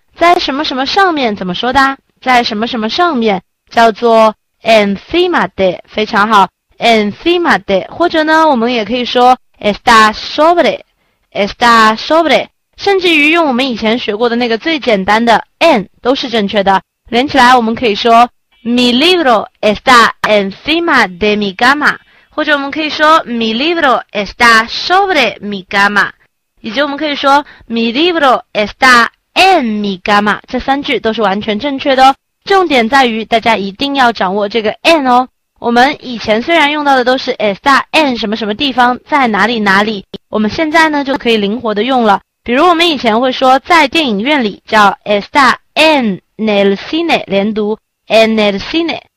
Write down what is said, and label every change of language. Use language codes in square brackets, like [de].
[zh] 在什么什么上面怎么说的？在什么什么上面叫做 encima de，非常好，encima de。或者呢，我们也可以说 [es] está sobre， [zh] 甚至于用我们以前学过的那个最简单的 en 都是正确的。连起来我们可以说 [es] mi libro está encima de mi cama， [zh] 或者我们可以说 [es] mi libro está sobre mi cama， [zh] 以及我们可以说 [es] mi libro está。 en mi cama [zh] 这三句都是完全正确的哦，重点在于大家一定要掌握这个 en 哦。我们以前虽然用到的都是 está en 什么什么地方，在哪里哪里，我们现在呢就可以灵活的用了。比如我们以前会说在电影院里叫 [es] está en el cine， [zh] 连读 [es] en el cine。